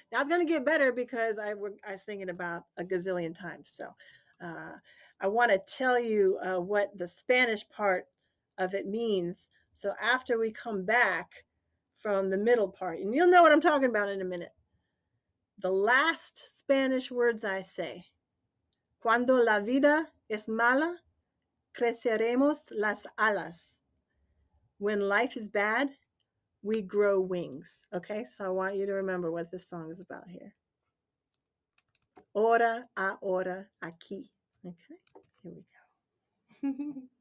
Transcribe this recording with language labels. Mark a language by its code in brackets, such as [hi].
[en] Now it's going to get better because I sing it about a gazillion times. So I want to tell you what the Spanish part of it means. So after we come back from the middle part, and you'll know what I'm talking about in a minute. The last Spanish words I say, [es] cuando la vida es mala, creceremos las alas. [en] When life is bad, we grow wings. Okay, so I want you to remember what this song is about here. [es] Ora, ahora, aquí. [en] Okay, here we go.